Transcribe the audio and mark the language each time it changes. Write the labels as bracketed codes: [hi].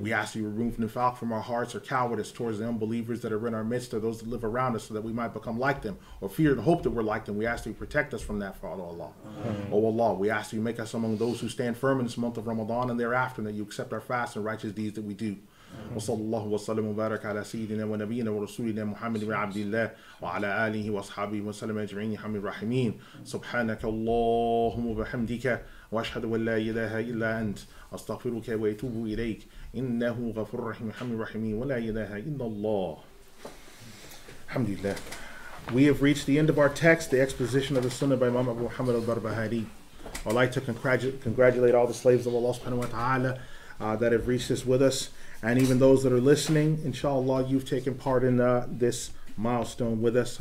[en] We ask that you remove nifaq from our hearts or cowardice towards the unbelievers that are in our midst or those that live around us so that we might become like them or fear and hope that we're like them. We ask that you protect us from that, Father Allah. Amen. Oh Allah, we ask that you make us among those who stand firm in this month of Ramadan and thereafter and that you accept our fast and righteous deeds that we do. [ar] وصلى الله وسلم وبارك على سيدنا ونبينا ورسولنا محمد بن عبد الله وعلى آله وأصحابه وسلم أجمعين حم الرحمين سبحانك اللهم وبحمدك وأشهد أن لا إله إلا أنت أستغفرك وأتوب إليك إنه غفور رحيم حم الرحمين ولا إله إلا الله الحمد لله. [en] We have reached the end of our text, the exposition of the Sunnah by Imam Abu Muhammad Al-Barbahari. I'd like to congratulate all the slaves of Allah subhanahu wa ta'ala that have reached this with us. And even those that are listening, inshallah, you've taken part in this milestone with us.